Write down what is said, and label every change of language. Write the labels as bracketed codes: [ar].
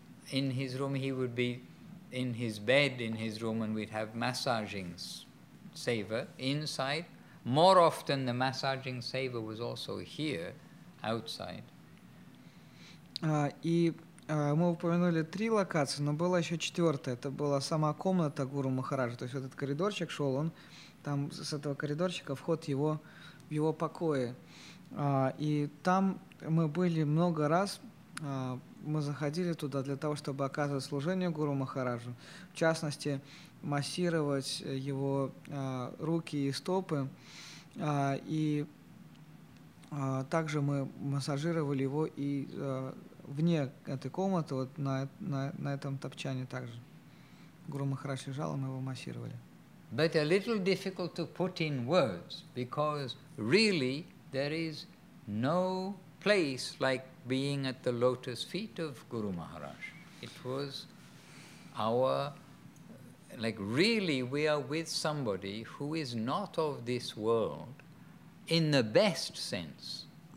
[en] in his room, he would be in his bed in his room, and we'd have massaging seva inside. More often, the massaging seva was also here, outside. [ru] Мы упомянули три локации, но была еще четвертая. Это была сама комната Гуру Махараджа. То есть вот этот коридорчик шел, он там с этого коридорчика вход его, в его покои. И там мы были много раз, мы заходили туда для того, чтобы оказывать служение Гуру Махараджу. В частности, массировать его руки и стопы. И также мы массажировали его и... вне этой комнаты, вот на этом топчане также. Гуру Махарадж лежал, мы его массировали. [en] But a little difficult to put in words, because really there is no place like being at the lotus feet of Guru Maharaj. It was our, like really we are with somebody who is not of this world in the best sense.